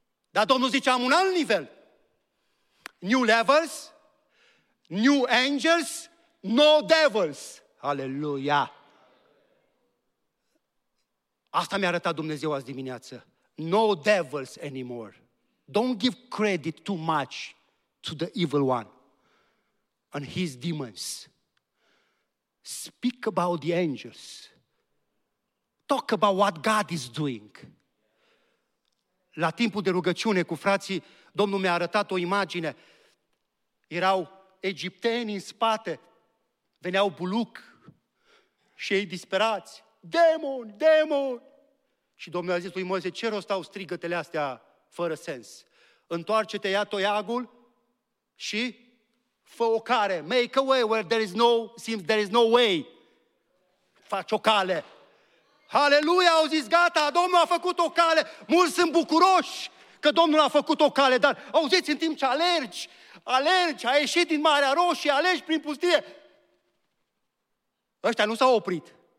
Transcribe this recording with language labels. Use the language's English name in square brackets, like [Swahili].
[Romanian] Dar Domnul zice, am un alt nivel. [English] New levels, new angels, no devils. [Romanian] Aleluia! Asta mi-a arătat Dumnezeu azi dimineață. [English] No devils anymore. Don't give credit too much to the evil one and his demons. Speak about the angels. Talk about what God is doing. [Romanian] La timpul de rugăciune cu frații, Domnul mi-a arătat o imagine. Erau egipteni în spate, veneau buluc și ei disperați. Demoni, demoni! Și Domnul a zis lui Moise, ce rost au strigătele astea fără sens? Întoarce-te, ia toiagul și fă o cale. [English] Make a way where there is no, seems there is no way. [Romanian] Faci o cale. Aleluia, au zis, gata, Domnul a făcut o cale. Mulți sunt bucuroși că Domnul a făcut o cale, dar auziți, în timp ce alergi, a ieșit din Marea Roșie, alergi prin pustie. Ăștia nu s-au oprit.